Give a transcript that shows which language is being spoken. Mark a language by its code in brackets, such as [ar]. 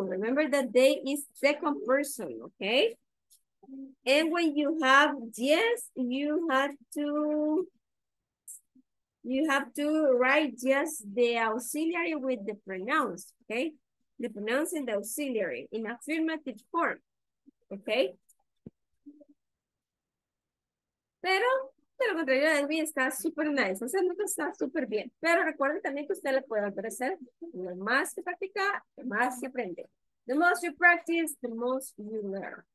[en] Remember that day is second person, ok? And when you have yes, you have to write just the auxiliary with the pronouns, ok? The pronouns and the auxiliary in affirmative form, ok? [es] Pero, de lo contrario, Edwin está súper nice. O sea, no está súper bien. Pero recuerden también que usted le puede aparecer. Lo más que practica, lo más que aprende. [en] The most you practice, the most you learn.